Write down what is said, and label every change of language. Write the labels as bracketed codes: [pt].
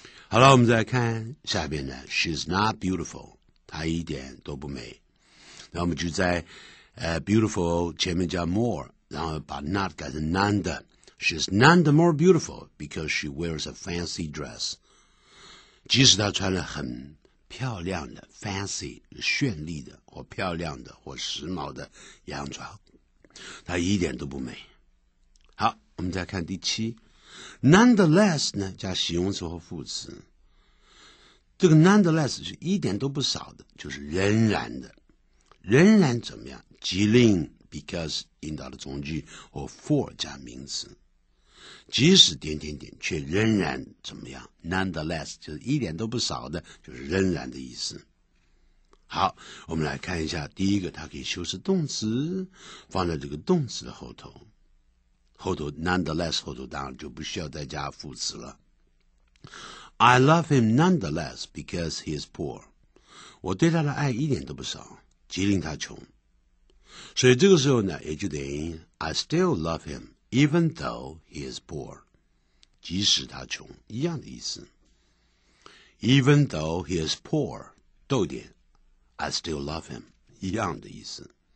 [zh] 好了，我们再看下边呢， [en] She's not beautiful， [zh] 她一点都不美。那我们就在beautiful 前面加 more， 然后把 not 改成 none 的。 [en] She's none the more beautiful because she wears a fancy dress. [zh] 即使她穿了很漂亮的 fancy 绚丽的或漂亮的或时髦的洋装，她一点都不美。好，我们再看第七。Nonetheless 呢，加形容词或副词。这个 nonetheless 是一点都不少的，就是仍然的。仍然怎么样？即令 because 引导的从句或 for 加名词。即使点点点，却仍然怎么样 ？Nonetheless， 就是一点都不少的，就是仍然的意思。好，我们来看一下，第一个，它可以修饰动词，放在这个动词的后头，后头 nonetheless 后头当然就不需要再加副词了。 [en] I love him nonetheless because he is poor。 [zh] 我对他的爱一点都不少，即令他穷。所以这个时候呢，也就等于 [en] I still love him。 Even though he is poor， [zh] 即使他穷，一样的意思。 [en] Even though he is poor， [zh] 逗点 [en] ，I still love him， [zh] 一样的意思。